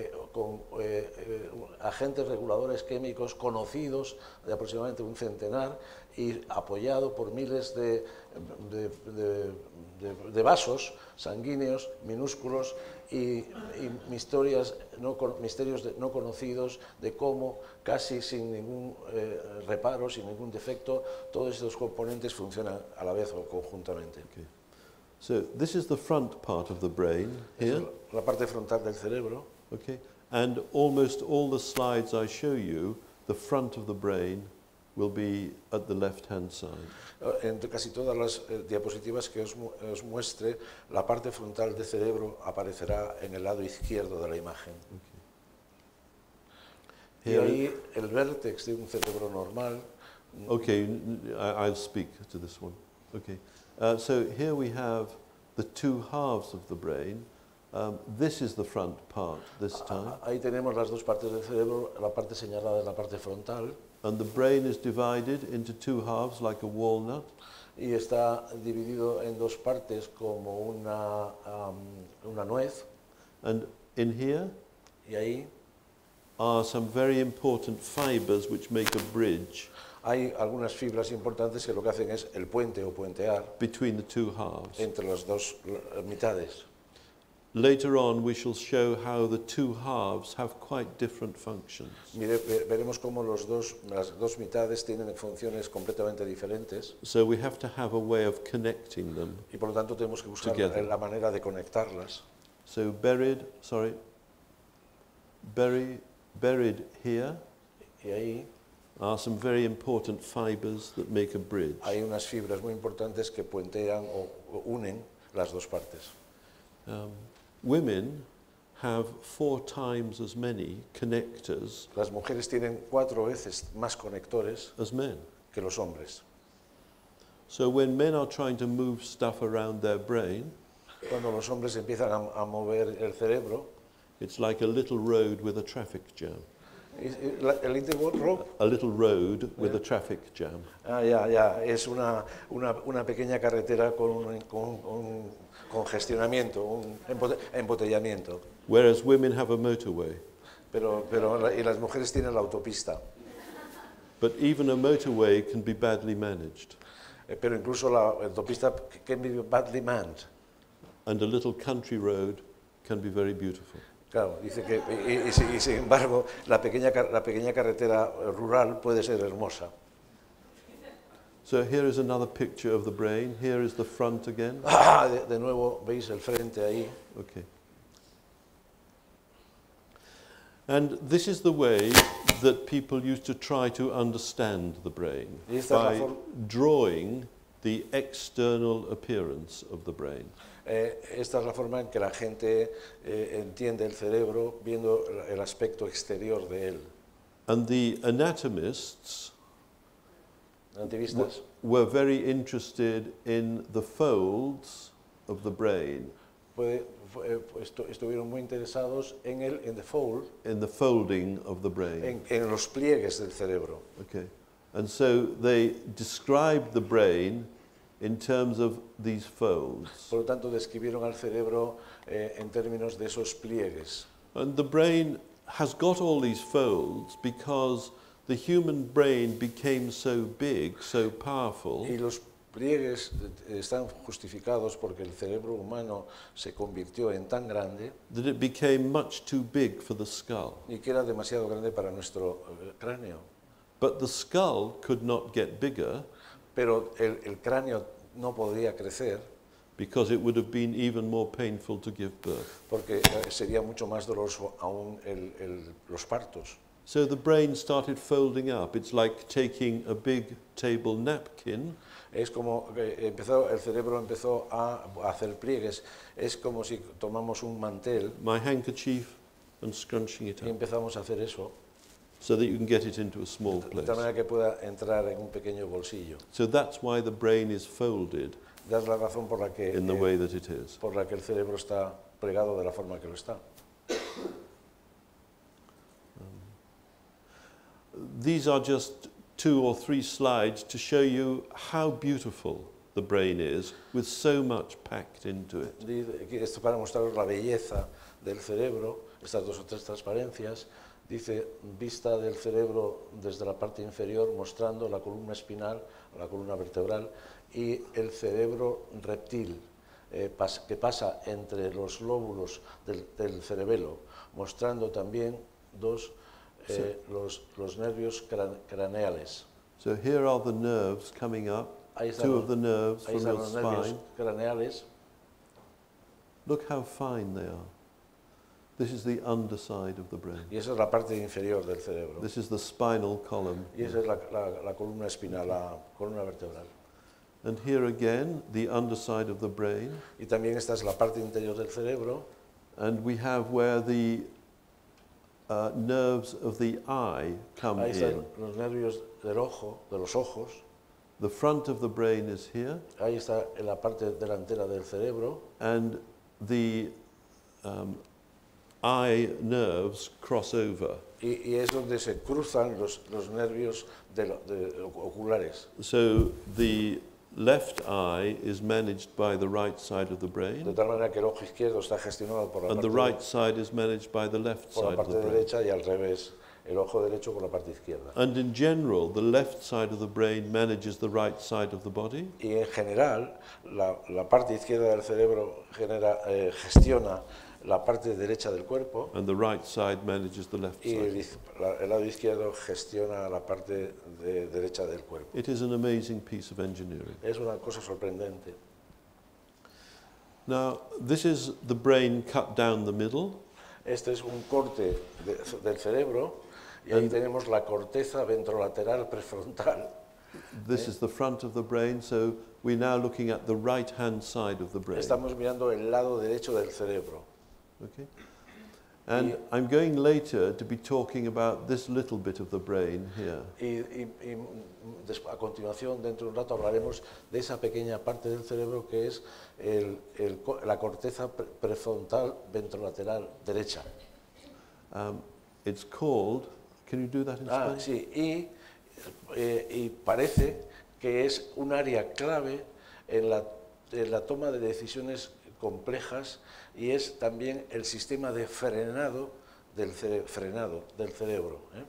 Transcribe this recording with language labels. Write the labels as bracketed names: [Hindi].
[Spanish] con agentes reguladores químicos conocidos de aproximadamente un centenar y apoyado por miles de vasos sanguíneos minúsculos y misterios no conocidos de cómo casi sin ningún reparo, sin ningún defecto, todos estos componentes funcionan a la vez o conjuntamente. [English] Okay. So this is the front part of the brain here. [Spanish] La parte frontal del cerebro. [English] Okay. And almost all the slides I show you, the front of the brain will be at the left-hand side. [Spanish] En casi todas las diapositivas que os muestre, la parte frontal del cerebro aparecerá en el lado izquierdo de la imagen. [English] Okay. Here, [Spanish] y ahí el vértex de un cerebro normal. [English] Okay, I'll speak to this one. Okay. So here we have the two halves of the brain. This is the front part this time. [Spanish] Ahí tenemos las dos partes del cerebro, la parte señalada es la parte frontal. [English] And the brain is divided into two halves like a walnut. [Spanish] y está dividido en dos partes como una nuez. [English] And in here, [Spanish] y ahí, [English] are some very important fibers which make a bridge. [Spanish] Hay algunas fibras importantes que lo que hacen es el puente o puentear [English] between the two halves. [Spanish] Entre las dos mitades. [English] Later on, we shall show how the two halves have quite different functions. [Spanish] Mire, veremos cómo las dos mitades tienen funciones completamente diferentes. [English] So we have to have a way of connecting them. [Spanish] Y por lo tanto tenemos que buscar [English] together. [Spanish] La manera de conectarlas. [English] So buried here. [Spanish] Y ahí. [English] Are some very important fibers that make a bridge. [Spanish] Hay unas fibras muy importantes que puentean o unen las dos partes. [English] Women have four times as many connectors. [Spanish] Las mujeres tienen cuatro veces más conectores [English] as men. [Spanish] Que los hombres. [English] So when men are trying to move stuff around their brain, [Spanish] cuando los hombres empiezan a mover el cerebro, [English] it's like a little road with a traffic jam. A little road with a traffic jam. [Spanish] Es una pequeña carretera con un congestionamiento, un embotellamiento. [English] Whereas women have a motorway. [Spanish] Pero y las mujeres tienen la autopista. [English] But even a motorway can be badly managed. [Spanish] Pero incluso la autopista [English] can be badly manned. And a little country road can be very beautiful. [Spanish] Claro, dice que y sin embargo la pequeña carretera rural puede ser hermosa. [English] So here is another picture of the brain. Here is the front again. [Spanish] De nuevo veis el frente ahí. [English] Okay. And this is the way that people used to try to understand the brain by drawing the external appearance of the brain. [Spanish] Esta es la forma en que la gente entiende el cerebro viendo el aspecto exterior de él. [English] And the anatomists [Spanish] anatomistas [English] were very interested in the folds of the brain. [Spanish] Estuvieron muy interesados en el [English] in the fold in the folding of the brain. [Spanish] En los pliegues del cerebro. [English] Okay. And so they described the brain in terms of these folds. [Spanish] Por lo tanto, describieron al cerebro en términos de esos pliegues. [English] And the brain has got all these folds because the human brain became so big, so powerful. [Spanish] Y los pliegues están justificados porque el cerebro humano se convirtió en tan grande. [English] That it became much too big for the skull. [Spanish] Y que era demasiado grande para nuestro cráneo. [English] But the skull could not get bigger. [Spanish] Pero el cráneo no podía crecer. [English] Because it would have been even more painful to give birth. [Spanish] Porque sería mucho más doloroso aún los partos. [English] So the brain started folding up. It's like taking a big table napkin. [Spanish] Es como el cerebro empezó a hacer pliegues. Es como si tomamos un mantel. [English] My handkerchief and scrunching it up. [Spanish] Y empezamos a hacer eso. [English] So that you can get it into a small place. [Spanish] De manera que pueda entrar en un pequeño bolsillo. [English] So that's why the brain is folded. [Spanish] Es la razón por la que [English] in the way that it is. [Spanish] Por la que el cerebro está plegado de la forma que lo está. [English] These are just two or three slides to show you how beautiful the brain is with so much packed into it. [Spanish] Esto para mostraros la belleza del cerebro, estas dos o tres transparencias. Dice, vista del cerebro desde la parte inferior, mostrando la columna espinal, la columna vertebral, y el cerebro reptil, que pasa entre los lóbulos del cerebelo, mostrando también los nervios craneales. [English] So here are the nerves coming up, two of the nerves from your spine. [Spanish] Ahí están los nervios craneales. [English] Look how fine they are. This is the underside of the brain. [Spanish] Y esa es la parte inferior del cerebro. [English] This is the spinal column. [Spanish] Y esa es la columna espinal, la columna vertebral. [English] And here again, the underside of the brain. [Spanish] Y también esta es la parte interior del cerebro. [English] And we have where the nerves of the eye come [Spanish] ahí están [English] in. [Spanish] Los nervios del ojo, de los ojos. [English] The front of the brain is here. [Spanish] Ahí está en la parte delantera del cerebro. [English] And the eye nerves cross over. [Spanish] Y es donde se cruzan los nervios de oculares. [English] So the left eye is managed by the right side of the brain. [Spanish] De tal manera que el ojo izquierdo está gestionado por la [English] and [Spanish] parte [English] the right side is managed by the left [Spanish] por la [English] side [Spanish] parte [English] of the [Spanish] derecha [English] brain. [Spanish] Y al revés. El ojo derecho por la parte izquierda. [English] And in general, the left side of the brain manages the right side of the body. [Spanish] Y en general, la parte izquierda del cerebro gestiona la parte derecha del cuerpo. [English] And the right side manages the left side. [Spanish] Y el lado izquierdo gestiona la parte derecha del cuerpo. [English] It is an amazing piece of engineering. [Spanish] Es una cosa sorprendente. [English] Now, this is the brain cut down the middle. [Spanish] Este es un corte del cerebro. Y ahí tenemos la corteza ventrolateral prefrontal. [English] This is the front of the brain, so we're now looking at the right-hand side of the brain. [Spanish] Estamos mirando el lado derecho del cerebro. [English] Okay. And I'm going later to be talking about this little bit of the brain here. [Spanish] Y a continuación, dentro de un rato, hablaremos de esa pequeña parte del cerebro que es la corteza prefrontal ventrolateral derecha. [English] It's called... Can you do that in Spanish? [Spanish] Sí, y parece que es un área clave en la toma de decisiones complejas y es también el sistema de frenado del cerebro.